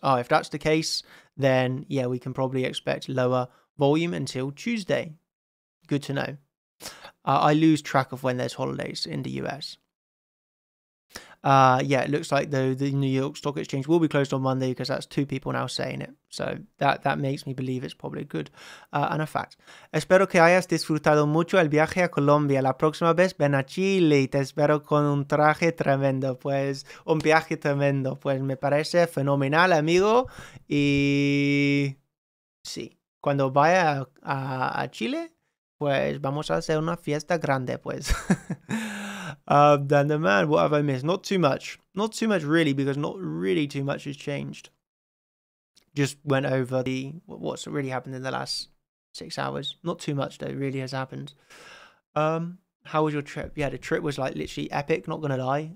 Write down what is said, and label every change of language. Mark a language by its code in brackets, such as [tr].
[en] Oh, if that's the case, then yeah, we can probably expect lower volume until Tuesday. Good to know. I lose track of when there's holidays in the US. Yeah, it looks like the New York Stock Exchange will be closed on Monday because that's two people now saying it. So that makes me believe it's probably good and a fact. [es] Espero que hayas disfrutado mucho el viaje a Colombia. La próxima vez ven a Chile y te espero con un traje tremendo. Pues un viaje tremendo. Pues me parece fenomenal, amigo. Y sí, cuando vaya a Chile, pues vamos a hacer una fiesta grande, pues. [en] Dandaman, what have I missed? Not too much. Not too much, really, because not really too much has changed. Just went over the what's really happened in the last 6 hours. Not too much, though, really has happened. How was your trip? Yeah, the trip was, like, literally epic, not going to lie.